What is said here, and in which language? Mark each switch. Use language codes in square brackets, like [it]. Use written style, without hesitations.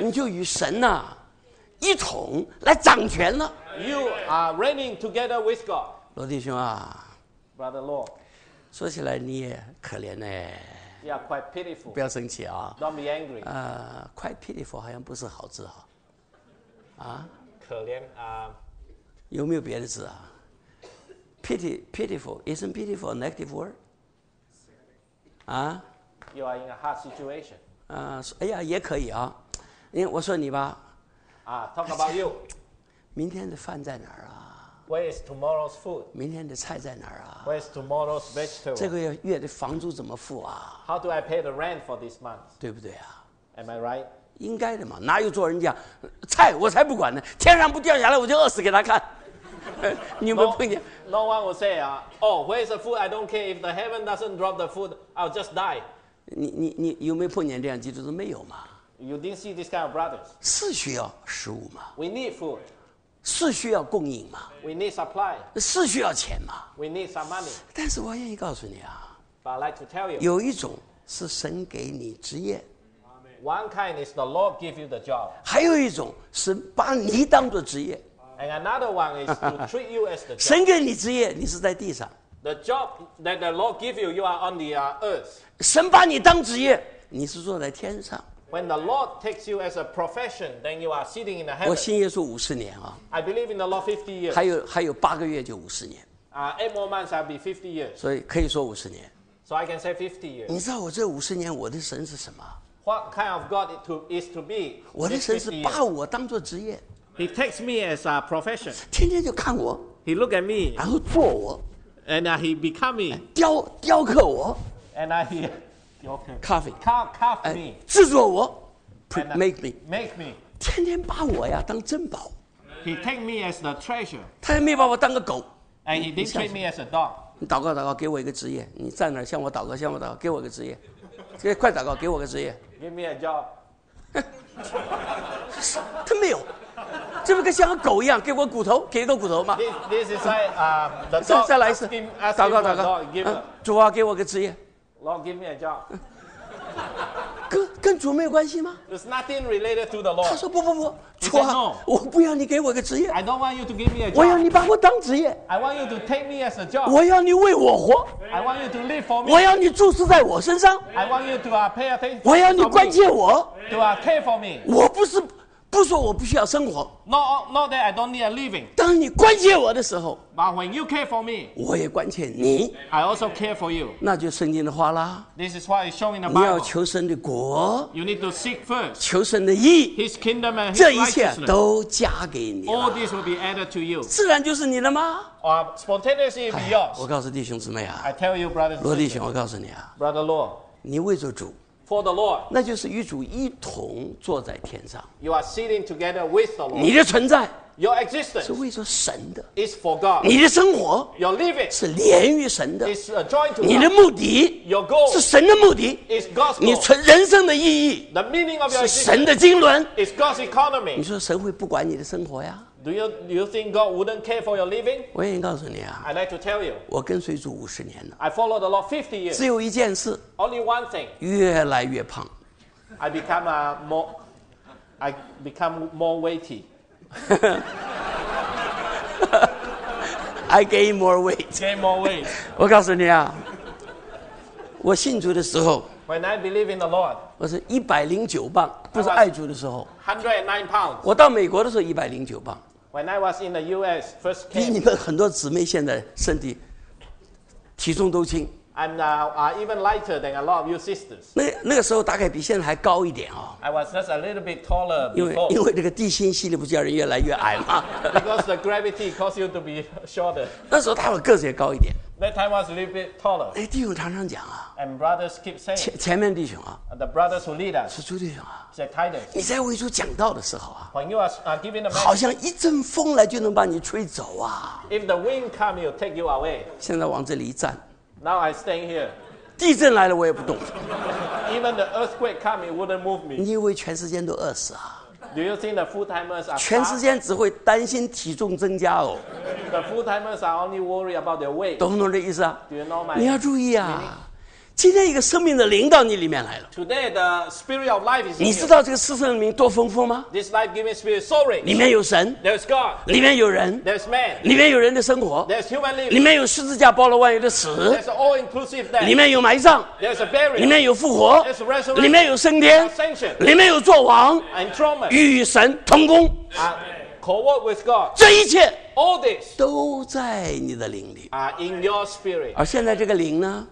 [zh] 你就与神啊一同来掌权了。 [en] You are reigning together with God. [zh] 罗弟兄啊 [en] ，Brother Law， [zh] 说起来你也可怜呢。 [en] Yeah, quite pitiful. [zh] 不要生气啊。 [en] Don't be angry. Quite pitiful [zh] 好像不是好字啊。啊？可怜啊。有没有别的字啊 [en] ？Pitiful isn't pitiful a negative word? 啊？You are in a hard situation. [zh] 哎呀，也可以啊。你我说你吧。 [en] Talk about you. [zh] 明天的饭在哪儿啊 [en] ？Where is tomorrow's food? [zh] 明天的菜在哪儿啊 [en] ？Where is tomorrow's vegetable? [zh] 这个月的房租怎么付啊 [en] ？How do I pay the rent for this month? [zh] 对不对啊 [en] ？Am I right? [zh] 应该的嘛，哪有做人家菜我才不管呢？天上不掉下来我就饿死给他看。你有没有碰见 [en] no, ？No one will say, where is the food? I don't care if the heaven doesn't drop the food, I'll just die. [zh] 你有没有碰见这样基督徒？没有嘛。 [en] You didn't see this kind of brothers. [zh] 是需要食物吗 [en] ？We need food. [zh] 是需要供应吗 [en] ？We need supply. [zh] 是需要钱吗 [en] ？We need some money. [zh] 但是我愿意告诉你啊 [en] ，But I'd like to tell you. [zh] 有一种是神给你职业 [en] ，One kind is the Lord give you the job. [zh] 还有一种是把你当作职业 [en] ，And another one is to treat you as the job. [zh] 神给你职业，你是在地上。 [en] The job that the Lord give you, you are on the earth. [zh] 神把你当职业，你是坐在天上。 [en] When the Lord takes you as a profession, then you are sitting in the heaven. [zh] 我信耶稣五十年啊。 [en] I believe in the Lord 50 years. [zh] 还有八个月就五十年。 [en] Eight more months, I'll be 50 years. [zh] 所以可以说五十年。 [en] So I can say 50 years. [zh] 你知道我这五十年我的神是什么 [en] ？What kind of God it is to be? [zh] 我的神是把我当作职业。 [en] He takes me as a profession. [zh] 天天就看我。 [en] He look at me. [zh] 然后做我。 [en] And he become me. [zh] 雕刻我。 [en] And I hear. Okay. Coffee, coffee me. [zh] 制作我 [en] make me, make me. [zh] 天天把我呀当珍宝。 [en] He take me as the treasure. [zh] 他也没把我当个狗。 [en] And he didn't treat me as a dog. [zh] 你祷告祷告，给我一个职业。你站那儿向我祷告，向我祷告，给我个职业。快祷告，给我个职业。 [en] Give me a job. [zh] 他没有，这不跟像个狗一样，给我骨头，给一个骨头吗 [en] ？This is like the dog. [zh] 再来一次，祷告祷告，主啊，给我个职业。 [en] Lord, give me a job. [zh] 跟主没有关系吗 [en] ？There's nothing related to the Lord. [zh] 他说不，主啊， [en] no. [zh] 我不要你给我个职业。 [en] I don't want you to give me a job. [zh] 我要你把我当职业。 [en] I want you to take me as a job. [zh] 我要你为我活。 [en] I want you to live for me. [zh] 我要你注视在我身上。 [en] I want you to pay attention. [zh] 我要你关切我。 [en] To care for me. [zh] 我不说我不需要生活。 [en] Not that I don't need a living. [zh] 当你关切我的时候。 [en] But when you care for me, [zh] 我也关切你。 [en] I also care for you. [zh] 那就圣经的话啦。 [en] This is what is shown in the Bible. [zh] 你要求神的国。 [en] You need to seek first. [zh] 求神的义。 [en] His kingdom and his righteousness. [zh] 这一切都加给你。 [en] All this will be added to you. [zh] 自然就是你的吗 [en] ？Spontaneously be yours. [zh] 我告诉弟兄姊妹啊。 [en] I tell you, brothers. [zh] 罗弟兄，我告诉你啊。 [en] Brother Law. [zh] 你为着主。 [en] For the Lord. [zh] 那就是与主一同坐在天上。 [en] You are sitting together with the Lord. [zh] 你的存在。 [en] Your existence [zh] 是为着神的 [en] is for God. [zh] 你的生活 [en] your living [zh] 是连于神的 [en] is a joint to God. [zh] 你的目的 [en] your goal [zh] 是神的目的 [en] is God's goal. [zh] 你存人生的意义 [en] the meaning of your existence [zh] 是神的经纶 [en] is God's economy. [zh] 你说神会不管你的生活呀？ [en] Do you think God wouldn't care for your living? [zh] 我愿意告诉你啊。 [en] I'd like to tell you. [zh] 我跟随主五十年了。 [en] I followed the Lord 50 years. [zh] 只有一件事 [en] only one thing. [zh] 越来越胖。 [en] I become more weighty. I gain more weight. Gain more weight. [zh] 我告诉你啊，我信主的时候 [en] ，When I believe in the Lord， [zh] 我是109磅，不是爱主的时候。 [en] 109 pounds. [zh] 我到美国的时候109磅。 [en] When I was in the U.S. first came. [zh] 比你们很多姊妹现在身体体重都轻。 [en] I'm now even lighter than a lot of you sisters. [zh] 那个时候大概比现在还高一点哦。 [en] I was just a little bit taller before. [zh] 因为这个地心吸力不叫人越来越矮吗？ [en] Because the gravity caused you to be shorter. [zh] 那时候他的个子也高一点。 [en] That time was a little bit taller. [zh] 哎，弟兄常常讲啊。 [en] And brothers keep saying. [zh] 前面弟兄啊。 [en] The brothers who lead us. [zh] 是朱弟兄啊。 [en] Said Titus. [zh] 你在为主讲道的时候啊。 [en] When you are giving the message. [zh] 好像一阵风来就能把你吹走啊。 [en] If the wind comes, it'll take you away. [zh] 现在往这里一站。 [en] Now I stand here. [zh] 地震来了我也不动。 [en] Even the earthquake coming wouldn't move me. [zh] 你以为全世界都饿死啊？ [en] Do you think the full-timers are? [zh] 全世界只会担心体重增加哦。 [en] The full-timers are only worried about their weight. [zh] 懂不懂这意思啊 [en] ？Do you know my? [zh] 你要注意啊！今天一个生命的灵到你里面来了。 [en] Today the spirit of life is. [zh] 你知道这个生命多丰富吗 [en] ？This life-giving spirit is so rich. [zh] 里面有神。 [en] There's God. [zh] 里面有人。 [en] There's man. [zh] 里面有人的生活。 [en] There's human living. [zh] 里面有十字架包罗万有的死。 [en] There's all-inclusive death. [zh] 里面有埋葬。 [en] There's a burial. [zh] 里面有复活。 [en] There's resurrection. [zh] 里面有升天。 [en] Ascension. [zh] 里面有作王。 [en] And throne. [zh] 与神同工。 [en] Co-work with God. [zh] 这一切。 [en] All this [zh] 都在你的灵里。 [en] In your spirit. [zh] 而现在这个灵呢？